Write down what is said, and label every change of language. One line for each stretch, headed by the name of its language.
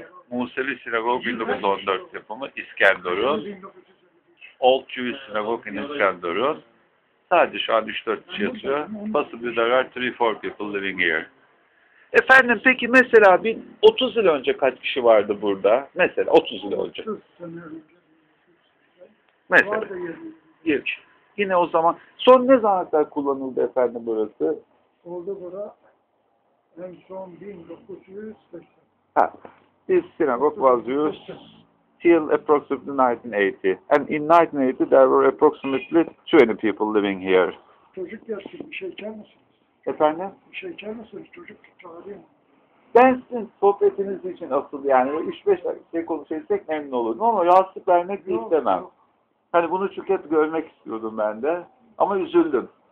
Turkish: Museli Sinagog 1914 yapımı İskenderun.
English: Old Jewish Synagogue in İskenderun.
Turkish: Sadece şu an 3-4 kişi yatıyor.
English: Possibly there are 3-4 people living here.
Turkish: Efendim peki mesela bir 30 yıl önce kaç kişi vardı burada? Mesela 30 yıl önce. Mesela. 20. Yine o zaman. Son ne zaman kadar kullanıldı efendim burası? Oldu bura. En son 1980. Ha.
English: This synagogue was used till approximately 1980. And in 1980 there were approximately 20 people living here.
Turkish: Çocuk yaşlı bir şey içer misin? Efendim? Bir şey içer misiniz? Çocuk çağırayım. Ben sizin sohbetiniz için asıl yani 3-5 şey konuşabilsek memnun olurum. Ama rahatsızlık vermek de istemem. Yok. Hani bunu çünkü hep görmek istiyordum ben de. Ama üzüldüm.